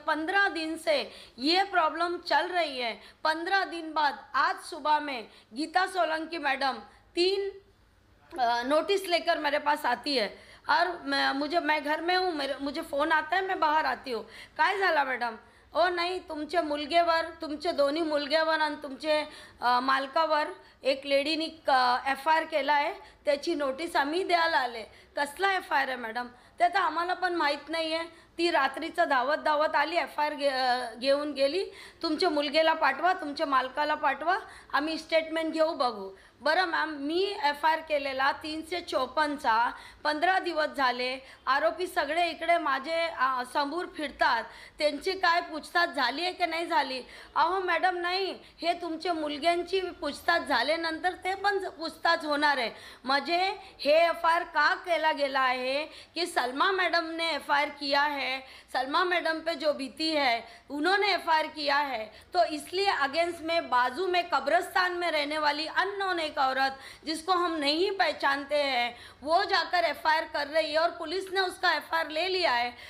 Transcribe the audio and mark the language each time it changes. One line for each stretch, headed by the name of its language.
Hindi: 15 दिन से ये प्रॉब्लम चल रही है, 15 दिन बाद आज सुबह में गीता सोलंकी मैडम 3 नोटिस लेकर मेरे पास आती है और मैं घर में हूँ, मुझे फ़ोन आता है, मैं बाहर आती हूँ,
Marathi: काय झाला मैडम? ओ नहीं, तुमचे मुलगे वर, तुमचे दोन्ही मुलगे वर आणि तुमचे मालकावर एक लेडीनी एफ आय आर केला आहे, त्याची नोटीस आम्ही द्यायला आले. कसला एफ आय आर आहे मॅडम? ते तर आम्हाला पण माहीत नाही आहे. ती रात्रीचं धावत धावत आली, एफ आय आर घेऊन गेली. तुमच्या मुलगेला पाठवा, तुमच्या मालकाला पाठवा, आम्ही स्टेटमेंट घेऊ बघू. बरं ma'am, मी F I R केलेला 354 15 दिवस झाले. आरोपी सगळे इकडे माझे समोर फिरतात, त्यांची काय पूछताछ झाली आहे की नाही झाली? अहो मॅडम, नाही, हे तुमच्या मुलग्यांची पूछताछ झाल्यानंतर ते पण पूछताछ होणार आहे. म्हणजे हे एफ आय आर का केला गेला आहे की Salma मॅडमने
Hindi: एफ आय आर किया है, सलमा मैडम पे जो बीती है उन्होंने एफ आई आर किया है, तो इसलिए अगेंस्ट में बाजू में कब्रिस्तान में रहने वाली अननोन एक औरत जिसको हम नहीं पहचानते हैं वो जाकर एफ आई आर कर रही है और पुलिस ने उसका एफ आई आर ले लिया है.